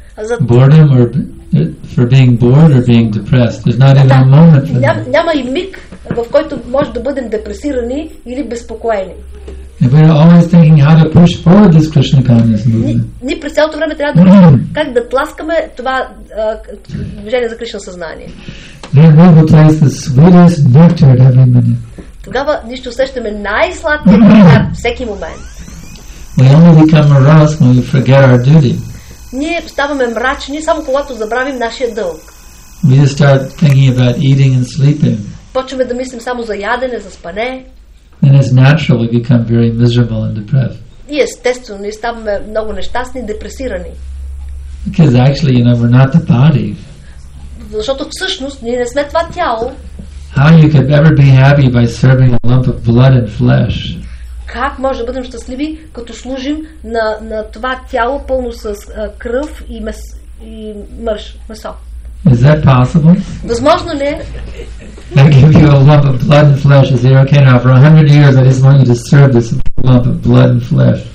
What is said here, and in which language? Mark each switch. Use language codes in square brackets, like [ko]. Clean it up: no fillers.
[en] Boredom or for being bored or being depressed. There's not even a moment for that. [bg] Няма и миг, в който може да бъдем депресирани или безпокоени. [en] We're always thinking how to push forward this Krishna consciousness movement. [bg] Ние през цялото време трябва да мислим как да тласкаме това движение за Кришна съзнание. [en] We will taste the sweetest nectar at every minute. [bg] Тогава ние ще усещаме най-сладкия нектар всеки момент. [en] We only become morose when we forget our duty. [bg] Ние ставаме мрачни само когато забравим нашия дълг. [en] We just start thinking about eating and sleeping. [bg] Почваме да мислим само за ядене, за спане. [en] And it's natural we become very miserable and depressed. [bg] И естествено, ние ставаме много нещастни, депресирани. [en] Because actually, you know, we're not the body. [bg] Защото всъщност ние не сме това тяло. [en] How you could ever be happy by serving a lump of blood and flesh? [bg] Как може да бъдем щастливи, като служим на това тяло пълно с кръв и месо? [en] Is that possible? [bg] Възможно ли е? [en] I give you a lump of blood and flesh. Is it okay now? For 100 years, I just want you to serve this lump of blood and flesh.